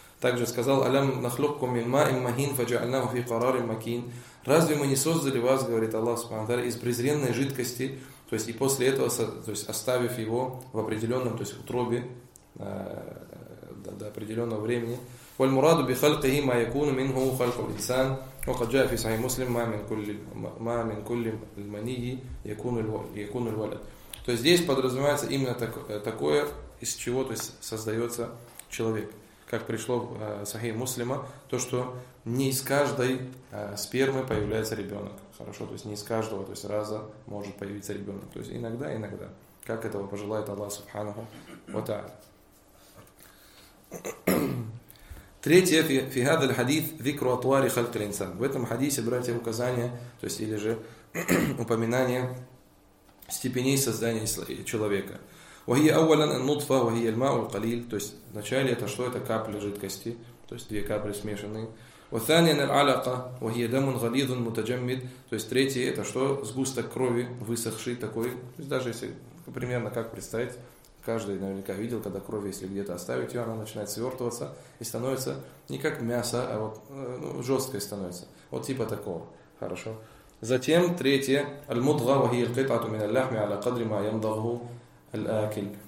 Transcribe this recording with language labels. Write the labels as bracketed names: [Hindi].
[Russian] Также сказал, [Arabic] أَلَمْ نَخْلُقْكُمْ مِنْ مَاءٍ مَهِينٍ فَجَعَلْنَاهُ فِي قَرَارٍ مَكِينٍ, [Russian] разве мы не создали вас, говорит Аллах Субхана ва Тааля, из презренной жидкости, то есть и после этого, то есть оставив его в определенном, то есть утробе до определенного времени. [Arabic] والمراد بخلقه ما يكون منه خلق الإنسان وقد جاء في صحيح مسلم ما من كل المني يكون الولد. [Russian] То есть здесь подразумевается именно такое, из чего, то есть создается человек, как пришло в صحيح Муслима, то что не из каждой спермы появляется ребенок, хорошо, то есть не из каждого, то есть раза может появиться ребенок, то есть иногда, как этого пожелает Аллах Субханаху ва Тааля. Третье, [Arabic] في هذا الحديث ذكر أطوار خلق الإنسان. [Russian] В этом хадисе, братья, указание, то есть или же упоминание степеней создания человека. [Arabic] وهي أولا النطفة وهي الماء القليل. [Russian] То есть вначале это что? Это капли жидкости, то есть две капли смешанные. [Arabic] وثانيا العلقة وهي دم غليظ متجمد. [Russian] То есть третье это что? Сгусток крови высохший такой. То есть даже если примерно как представить. Каждый наверняка видел, когда кровь, если где-то оставить ее, она начинает свертываться и становится не как мясо, а вот жесткой становится. Вот типа такого. Хорошо. Затем третье. Аль-мудга ва хия аль-кыт'ату мин аль-лахми аля кадри ма ямдагу аль-акиль.